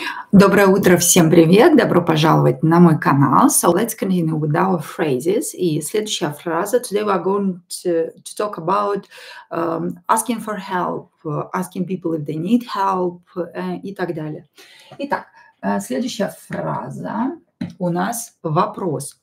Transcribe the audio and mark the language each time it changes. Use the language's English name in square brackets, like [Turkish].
[Russian] Доброе утро, всем привет! Добро пожаловать на мой канал. [English] So let's continue with our phrases. [Russian] И следующая фраза. [English] Today we are going to talk about asking for help, asking people if they need help [Russian] и так далее. Итак, следующая фраза у нас вопрос.